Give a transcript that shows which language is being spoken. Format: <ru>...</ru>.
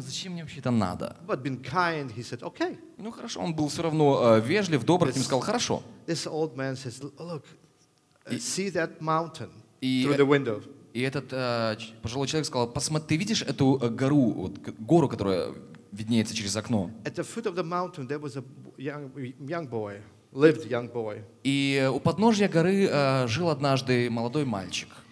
<ru>Зачем мне вообще это надо?</ru> <en>But being kind, he said, okay.</en> <ru>Ну хорошо, он был все равно вежлив, добр, и сказал, хорошо.</ru> <en>This old man says, look, see that mountain through the window.</en> <ru>И этот пожилой человек сказал, посмотри, ты видишь эту гору, вот, гору, которая виднеется через окно.</ru> <en>At the foot of the mountain there was a young boy, lived young boy.</en> <ru>И у подножья горы жил однажды молодой мальчик.</ru>